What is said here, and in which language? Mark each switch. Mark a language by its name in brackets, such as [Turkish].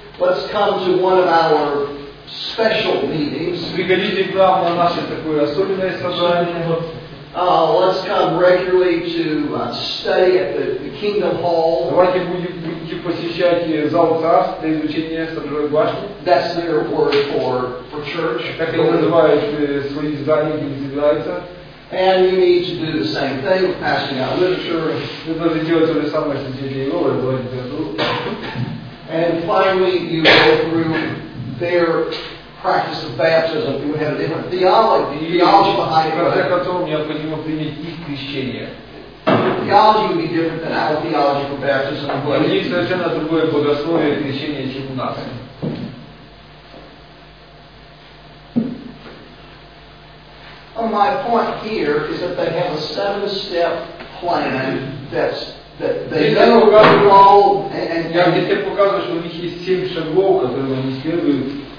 [English] Let's come to one of our special meetings. [Russian] Приходите к нам на наше такое особенное собрание. [English] Let's come regularly to study at the Kingdom Hall. [Russian] Давайте будем посещать зал царств для изучения Сторожевой башни. [English] That's their word for church. [Russian] Как они называют свои здания, где собираются. [English] And you need to do the same thing with passing out literature. [Russian] Вы должны делать то же самое, что делали его, разговаривать литературу. [English] And finally, you go through their practice of baptism. You have a different theology behind it. [Russian] Для которого необходимо принять их крещение. [English] Theology would be different than our theology for baptism. [Russian] У них совершенно другое богословие крещения, чем у нас. [English] My point here is that they have a seven-step plan that they go through and [Russian] я тебе показываю, что у них есть семь шагов, которые они следуют.